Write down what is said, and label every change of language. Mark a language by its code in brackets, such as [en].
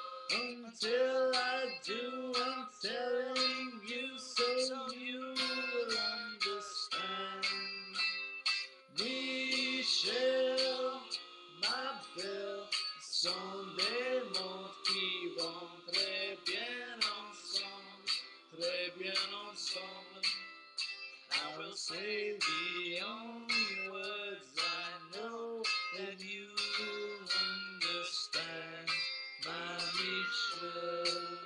[en] Until I do, I'm telling you so you will understand. [fr] Michelle, ma belle, sont des mots qui vont très bien ensemble. Très bien ensemble. [en] I will say the only words I know that you understand, my Michelle.